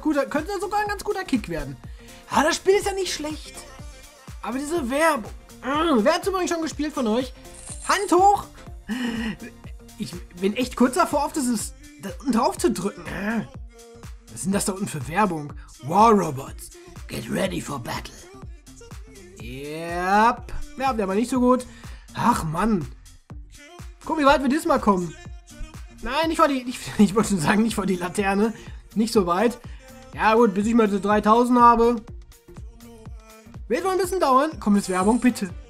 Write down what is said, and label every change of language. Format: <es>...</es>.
<de>Könnte sogar ein ganz guter Kick werden. Ah, das Spiel ist ja nicht schlecht. Aber diese Werbung. Wer hat übrigens schon gespielt von euch? Hand hoch! Ich bin echt kurz davor, auf das drauf zu drücken. Was sind das da unten für Werbung?</de> <en>War Robots, get ready for battle. Yep.</en> <de>Ja, wir haben aber nicht so gut. Ach, Mann. Guck, wie weit wir diesmal kommen. Nein, nicht vor die Laterne. Nicht so weit. Ja, gut, bis ich mal diese 3000 habe. Wird wohl ein bisschen dauern. Kommt jetzt Werbung, bitte.</de>